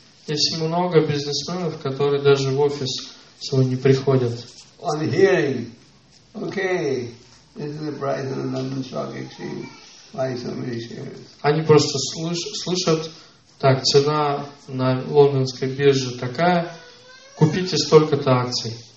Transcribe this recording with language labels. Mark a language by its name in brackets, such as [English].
[Russian] Есть много бизнесменов, которые даже в офис свой не приходят. [English] On hearing, okay, this is the price of the London Stock Exchange. Buy so many shares. [Russian] Они просто слышат, так, цена на лондонской бирже такая, купите столько-то акций.